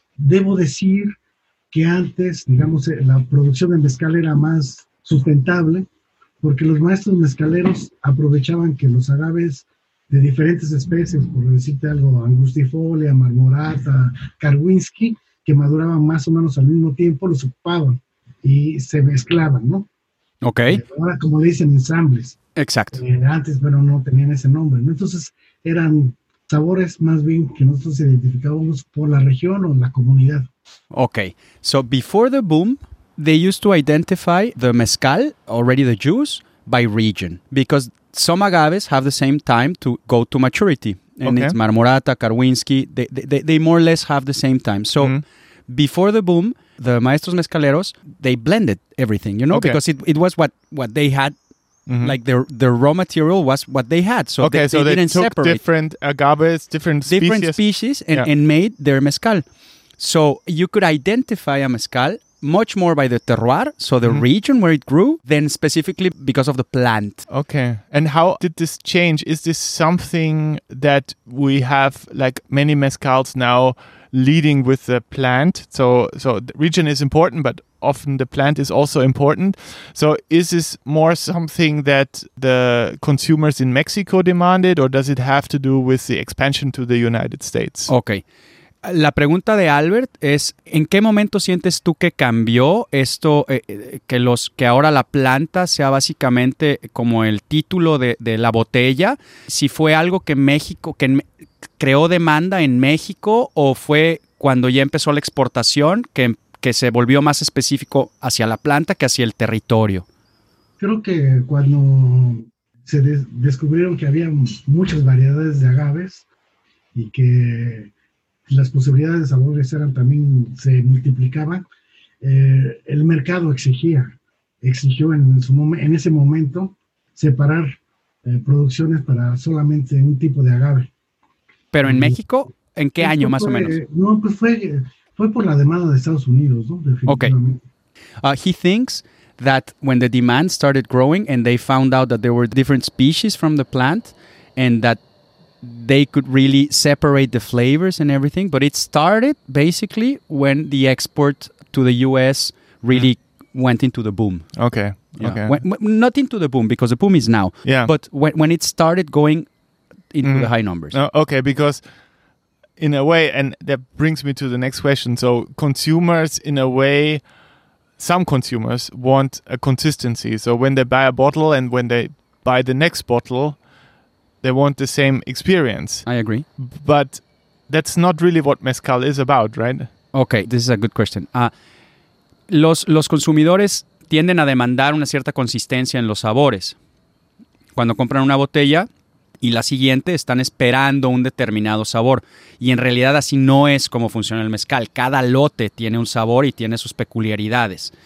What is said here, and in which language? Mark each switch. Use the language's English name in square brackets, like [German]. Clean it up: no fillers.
[Spanish] Debo decir que antes, digamos, la producción de mezcal era más sustentable, porque los maestros mezcaleros aprovechaban que los agaves de diferentes especies, por decirte algo, angustifolia, marmorata, karwinski, que maduraban más o menos al mismo tiempo, los ocupaban y se mezclaban, ¿no? Ok. Ahora, como le dicen, ensambles. Exacto. Antes, bueno, no tenían ese nombre, ¿no? Entonces, eran sabores más bien que nosotros identificábamos por la región o la comunidad. Ok. [English] So, before the boom, they used to identify the mezcal, already the juice, by region. Because some agaves have the same time to go to maturity. And okay. It's Marmorata, Karwinski, they more or less have the same time. So, before the boom, the maestros mezcaleros, they blended everything, you know, okay. Because it was what they had, mm-hmm. like their raw material was what they had. So okay, they didn't took separate. Different agaves, different species. Different species and made their mezcal. So you could identify a mezcal much more by the terroir, so the mm-hmm. region where it grew, than specifically because of the plant. Okay. And how did this change? Is this something that we have, like many mezcals now, leading with the plant? So the region is important, but often the plant is also important. So is this more something that the consumers in Mexico demanded, or does it have to do with the expansion to the United States? Okay. [Spanish] La pregunta de Albert es, ¿en qué momento sientes tú que cambió esto, que ahora la planta sea básicamente como el título de la botella? Si fue algo que México, que creó demanda en México, o fue cuando ya empezó la exportación que se volvió más específico hacia la planta que hacia el territorio. Creo que cuando se descubrieron que había muchas variedades de agaves y que las posibilidades de sabores eran también, se multiplicaban, el mercado exigió en ese momento separar producciones para solamente un tipo de agave. ¿Pero en México? ¿En qué año más o menos? No, pues fue por la demanda de Estados Unidos, ¿no? Definitivamente. [English] Okay. He thinks that when the demand started growing and they found out that there were different species from the plant and that they could really separate the flavors and everything. But it started basically when the export to the US really went into the boom. Okay. Yeah. Okay. Not into the boom, because the boom is now. Yeah. But when it started going into the high numbers. Okay, because in a way, and that brings me to the next question. So consumers, in a way, some consumers want a consistency. So when they buy a bottle and when they buy the next bottle, they want the same experience. I agree. But that's not really what mezcal is about, right? Okay, this is a good question. [Spanish] Los consumidores tienden a demandar una cierta consistencia en los sabores. Cuando compran una botella y la siguiente, están esperando un determinado sabor. Y en realidad así no es como funciona el mezcal. Cada lote tiene un sabor y tiene sus peculiaridades.